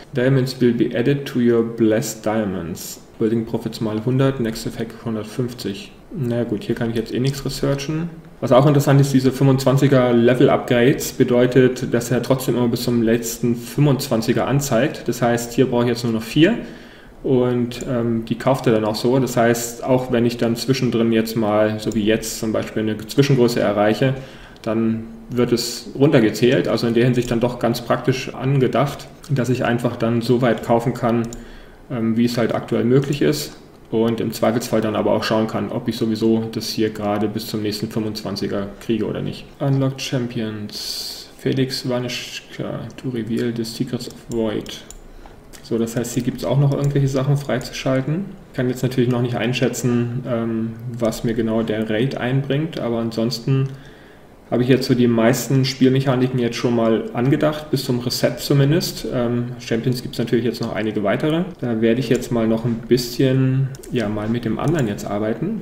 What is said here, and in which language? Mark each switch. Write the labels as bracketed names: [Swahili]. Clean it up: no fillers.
[English] Diamonds will be added to your blessed diamonds. [German] Building Profits mal 100, Next Effect 150. Na gut, hier kann ich jetzt eh nichts researchen. Was auch interessant ist, diese 25er Level Upgrades bedeutet, dass er trotzdem immer bis zum letzten 25er anzeigt. Das heißt, hier brauche ich jetzt nur noch 4 und die kauft er dann auch so. Das heißt, auch wenn ich dann zwischendrin jetzt mal, so wie jetzt zum Beispiel, eine Zwischengröße erreiche, dann wird es runtergezählt. Also in der Hinsicht dann doch ganz praktisch angedacht, dass ich einfach dann so weit kaufen kann, wie es halt aktuell möglich ist. Und im Zweifelsfall dann aber auch schauen kann, ob ich sowieso das hier gerade bis zum nächsten 25er kriege oder nicht. [English] Unlock Champions. Felix Vanishka to reveal the Secrets of Void. [German] So, das heißt, hier gibt es auch noch irgendwelche Sachen freizuschalten. Ich kann jetzt natürlich noch nicht einschätzen, was mir genau der Raid einbringt. Aber ansonsten habe ich jetzt so die meisten Spielmechaniken jetzt schon mal angedacht, bis zum Reset zumindest. Champions gibt es natürlich jetzt noch einige weitere. Da werde ich jetzt mal noch ein bisschen, ja, mal mit dem anderen jetzt arbeiten.